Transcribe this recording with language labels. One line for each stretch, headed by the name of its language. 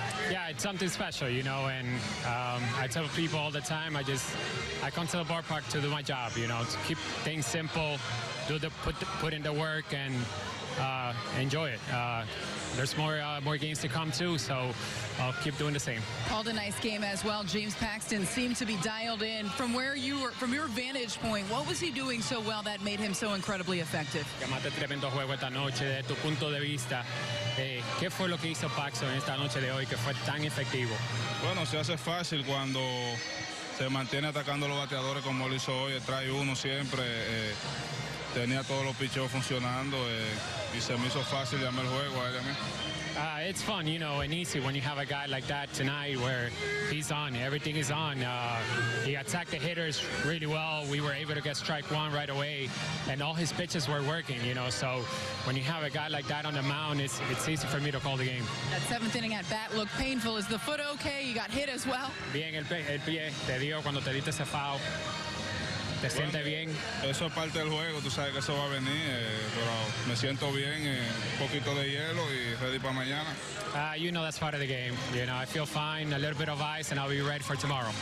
English: Yeah, it's something special, you know, and I tell people all the time, I come to the ballpark to do my job, you know, to keep things simple, put in the work, and enjoy it. There's more games to come too, so I'll keep doing the same. Called a nice game as well. James Paxton seemed to be dialed in. From where you were, from your vantage point, what was he doing so well that made him so incredibly effective?
Spanish: Llamaste tremendo juego esta noche. De tu punto de vista, ¿qué fue lo que hizo Paxton esta noche de hoy que fue tan efectivo? Bueno, se hace fácil cuando se mantiene atacando a los bateadores como lo hizo hoy. Trae uno siempre. Tenía todos los picheos funcionando, y se me hizo fácil llamar el juego a él y a mí.
English: It's fun, you know, and easy when you have a guy like that tonight where he's on, everything is on. He attacked the hitters really well. We were able to get strike one right away, and all his pitches were working, you know. So when you have a guy like that on the mound, it's easy for me to call the game. That seventh inning at bat looked painful. Is the foot okay? You got hit as well?
Spanish: Bien, el pie. Te digo cuando te diste ese foul. ¿Te sientes bien? Eso es parte del juego, tú sabes que eso va a venir, pero me siento bien, un poquito de hielo y ready para mañana.
English: You know that's part of the game. You know, I feel fine, a little bit of ice, and I'll be ready for tomorrow.